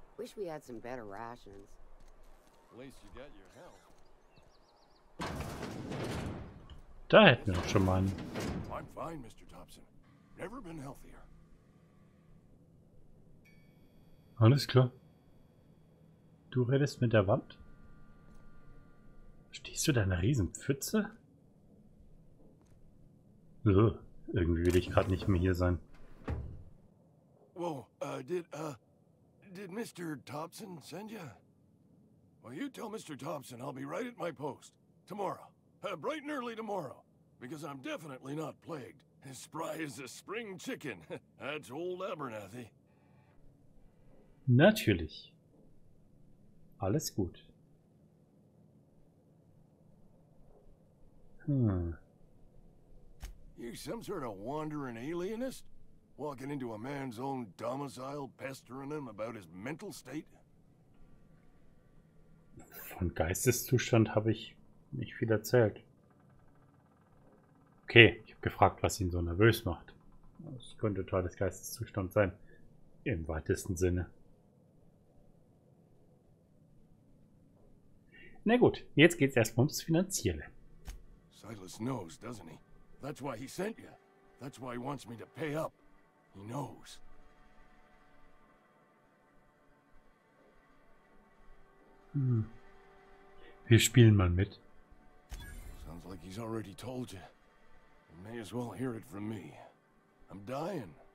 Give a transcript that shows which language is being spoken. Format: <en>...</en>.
<en>Wish we had some better rations. At least you got your help.</en> <de>Da hätten wir doch schon mal einen.</de> <en>I'm fine, Mr. Thompson. Never been healthier.</en> <de>Alles klar. Du redest mit der Wand? Stehst du da in einer Riesenpfütze? Irgendwie will ich gerade nicht mehr hier sein.</de> <en>Well, did Mr. Thompson send you? Well, you tell Mr. Thompson I'll be right at my post. Tomorrow. Bright and early tomorrow. Because I'm definitely not plagued. As spry as a spring chicken. That's old Abernathy.</en> <de>Natürlich. Alles gut.</de> <en>You some sort of wandering alienist? Walking into a man's own domicile, pestering him about his mental state?</en> <de>Von Geisteszustand habe ich nicht viel erzählt. Okay, ich habe gefragt, was ihn so nervös macht. Das könnte Teil des Geisteszustands sein. Im weitesten Sinne. Na gut, jetzt geht's erst ums Finanzielle.</de> <en>Silas knows, doesn't he? That's why he sent you. That's why he wants me to pay up. He knows.</en> <de>Wir spielen mal mit.</de> <en>Sounds like he's already told you. You may as well hear it from me. I'm dying.</en>